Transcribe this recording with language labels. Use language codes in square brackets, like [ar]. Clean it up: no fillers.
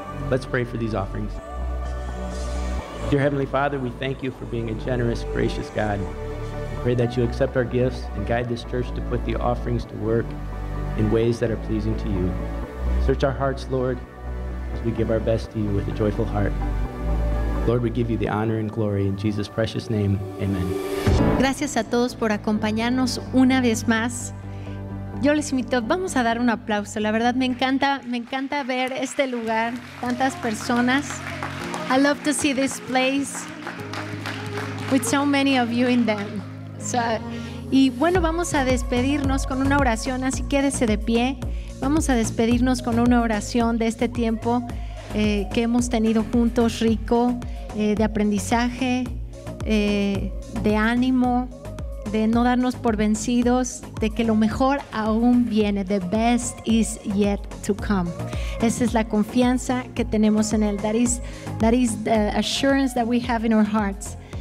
[en] Let's pray for these offerings. Dear Heavenly Father, we thank you for being a generous, gracious God. We pray that you accept our gifts and guide this church to put the offerings to work in ways that are pleasing to you. Search our hearts, Lord, as we give our best to you with a joyful heart. Lord, we give you the honor and glory in Jesus' precious name. Amen. [es] Gracias a todos por acompañarnos una vez más. Yo les invito, vamos a dar un aplauso. La verdad, me encanta ver este lugar, tantas personas. [en] I love to see this place with so many of you in them. [es] So, y bueno, vamos a despedirnos con una oración, así quédese de pie. Vamos a despedirnos con una oración de este tiempo que hemos tenido juntos, rico, de aprendizaje, de ánimo, de no darnos por vencidos, de que lo mejor aún viene. [en] The best is yet to come. [es] Esa es la confianza que tenemos en Él. [en] That is the assurance that we have in our hearts.